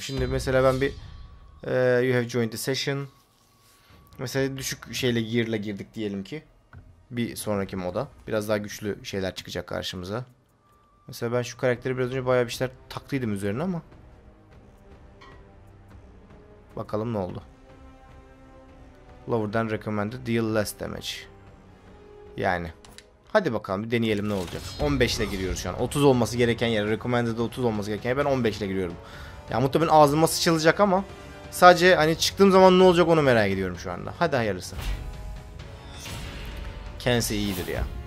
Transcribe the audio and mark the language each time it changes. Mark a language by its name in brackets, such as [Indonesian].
[Turkish] Şimdi mesela ben bir [English] you have joined the session. [Turkish] Mesela düşük şeyle gear'la girdik diyelim ki. Bir sonraki moda. Biraz daha güçlü şeyler çıkacak karşımıza. Mesela ben şu karakteri biraz önce bayağı bir şeyler taktıydım üzerine ama. Bakalım ne oldu. [English] Lower than recommended deal less damage. [Turkish] Yani. Hadi bakalım bir deneyelim ne olacak. 15 ile giriyoruz şu an. 30 olması gereken yere. Recommended'de 30 olması gereken yere. Ben 15 ile giriyorum. Ya muhtemelen ağzıma sıçılacak ama. Sadece hani çıktığım zaman ne olacak onu merak ediyorum şu anda. Hadi hayırlısı. Kendisi iyidir ya.